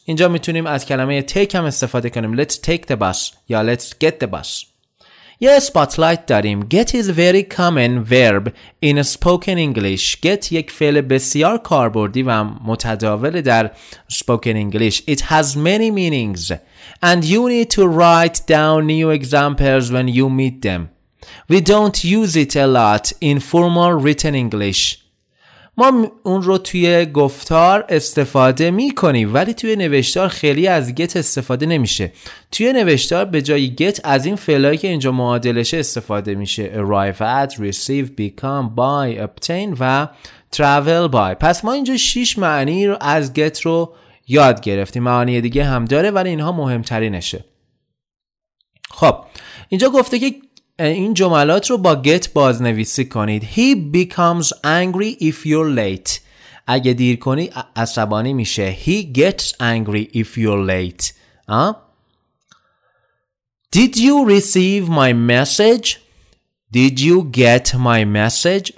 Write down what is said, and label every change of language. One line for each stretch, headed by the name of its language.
Persian: اینجا میتونیم از کلمه take هم استفاده کنیم.
English: Let's take the bus یا let's get the bus.
Persian: یه spotlight داریم.
English: Get is very common verb in spoken English.
Persian: Get یک فعل بسیار کاربردی و متداول در spoken English.
English: It has many meanings and you need to write down new examples when you meet them. We don't use it a lot in formal written English.
Persian: ما اون رو توی گفتار استفاده میکنیم، ولی توی نوشتار خیلی از get استفاده نمیشه. توی نوشتار به جای get از این فعلایی که اینجا معادلشه استفاده میشه: arrive at, receive, become, buy, obtain و travel by. پس ما اینجا 6 معنی رو از get رو یاد گرفتیم. معانی دیگه هم داره ولی اینها مهمترینشه. خب اینجا گفته که این جملات رو با get بازنویسی کنید.
English: He becomes angry if you're late.
Persian: اگه دیر کنی عصبانی میشه.
English: He gets angry if you're late. Did you receive my message? Did you get my message?